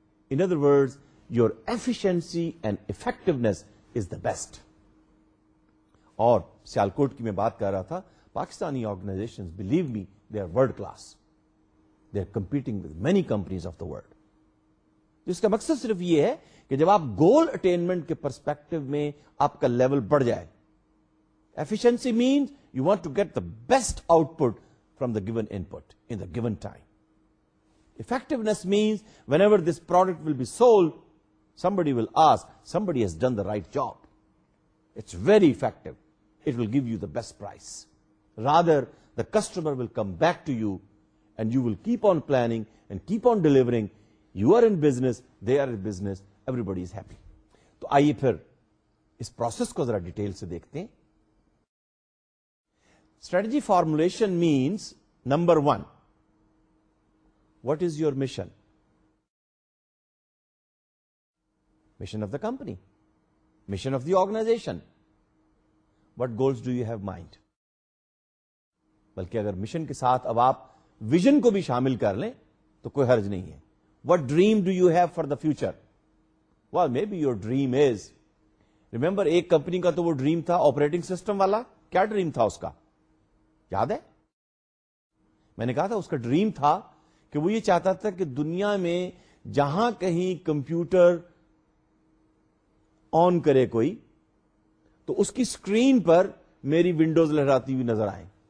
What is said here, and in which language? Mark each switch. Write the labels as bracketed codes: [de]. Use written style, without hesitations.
[en] In other words, your efficiency and effectiveness is the best. [ur] اور سیالکوٹ کی میں بات کر رہا تھا, Pakistani [en] organizations, believe me, they are world class. They are competing with many companies of the world. [ur] جس کا مقصد صرف یہ ہے کہ جب آپ goal attainment کے perspective میں آپ کا level بڑھ جائے. [en] Efficiency means you want to get the best output from the given input in the given time. Effectiveness means whenever this product will be sold, somebody will ask, somebody has done the right job. It's very effective. It will give you the best price. Rather, the customer will come back to you and you will keep on planning and keep on delivering. You are in business, they are in business, everybody is happy. So, [ur] aaiye phir is process ko zara detail se dekhte hain. [en] Strategy formulation means, number one, what is your mission? Mission of the company, mission of the organization, what goals do you have mind? [ur] بلکہ اگر mission کے ساتھ اب آپ vision کو بھی شامل کر لیں تو کوئی حرج نہیں ہے. [en] What dream do you have for the future? Well, maybe your dream is, remember, [ur] ایک کمپنی کا تو وہ ڈریم تھا آپریٹنگ سسٹم والا, کیا ڈریم تھا اس کا یاد ہے؟ میں نے کہا تھا اس کا ڈریم تھا کہ وہ یہ چاہتا تھا کہ دنیا میں جہاں کہیں کمپیوٹر آن کرے کوئی تو اس کی اسکرین پر میری ونڈوز لہراتی ہوئی نظر آئیں.